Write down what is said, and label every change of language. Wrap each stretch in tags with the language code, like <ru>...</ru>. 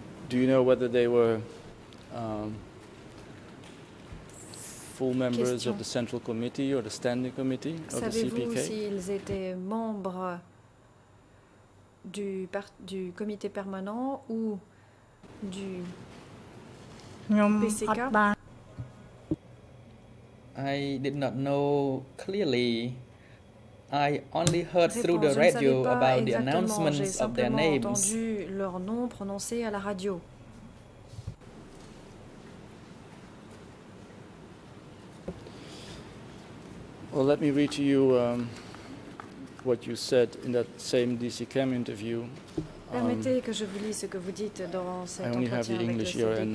<en>Do you know whether they were full members</en> <fr>question.</fr> <en>Of the Central Committee or the Standing Committee of the CPK?</en> <fr>Savez-vous s'ils étaient membres du comité permanent ou du PCK?</fr> <en>I did not know clearly. I only heard through the radio about the announcements of their names.</en> <fr>J'ai simplement entendu leur nom prononcé à la radio.</fr> <en>Well, let me read to you what you said in that same DCCAM interview.</en> <fr>Permettez que je vous lise ce que vous dites dans cet entretien avec le CDCAM.</fr>